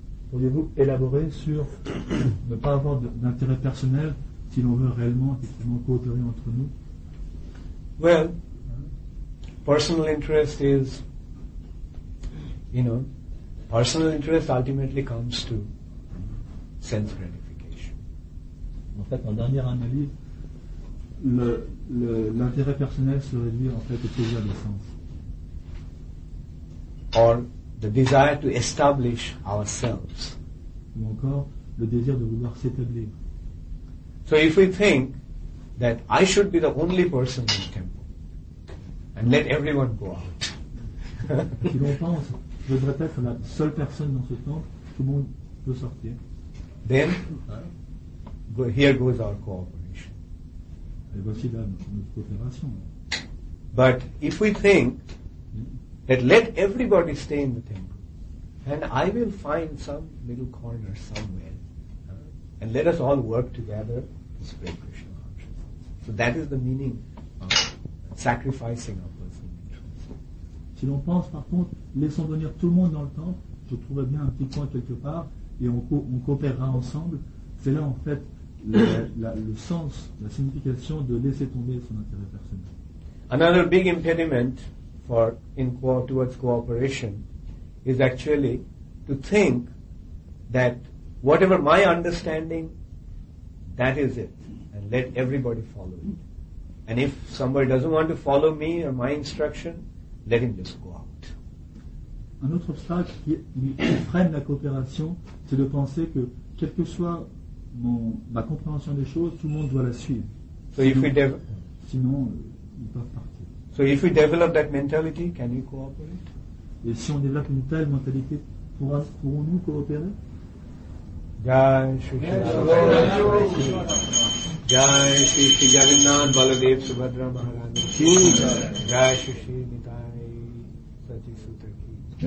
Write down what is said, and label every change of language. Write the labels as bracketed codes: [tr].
[fr] Pourriez-vous élaborer sur ne pas avoir d'intérêt personnel si l'on veut réellement effectivement coopérer entre nous? [en] Well, personal interest is, you know, personal interest ultimately comes to sense gratification. [fr] En fait, en dernière analyse, l'intérêt personnel se réduit en fait au plaisir de sens. [en] Or the desire to establish ourselves. [fr] Ou encore le désir de vouloir s'établir. [en] So if we think that I should be the only person in the temple and let everyone go out. [fr] Si l'on pense que je devrais être la seule personne dans ce temple, tout le monde peut sortir. [en] Then here goes our cooperation. [fr] Et voici là notre coopération. [en] But if we think that let everybody stay in the temple and I will find some little corner somewhere and let us all work together to spread Krishna consciousness. So that is the meaning of sacrificing our personal interests. [fr] Si l'on pense par contre, laissons venir tout le monde dans le temple, je trouverai bien un petit coin quelque part et on coopérera ensemble. C'est là en fait le sens, la signification de laisser tomber son intérêt personnel. [en] Another big impediment for towards cooperation is actually to think that whatever my understanding, that is it, and let everybody follow it. And if somebody doesn't want to follow me or my instruction, let him just go out. [fr] Un autre obstacle qui freine la coopération, c'est de penser que quelle que soit ma compréhension des choses, tout le monde doit la suivre. So sinon, ils peuvent partir. [en] So if we develop that mentality, can we cooperate? [fr] Et si on développe une telle mentalité, pourrons-nous coopérer? [sa] Jai Shri Jagannath Baladev Subhadra Maharaj. Jai Shri Nitai Sachi Sutra Ki.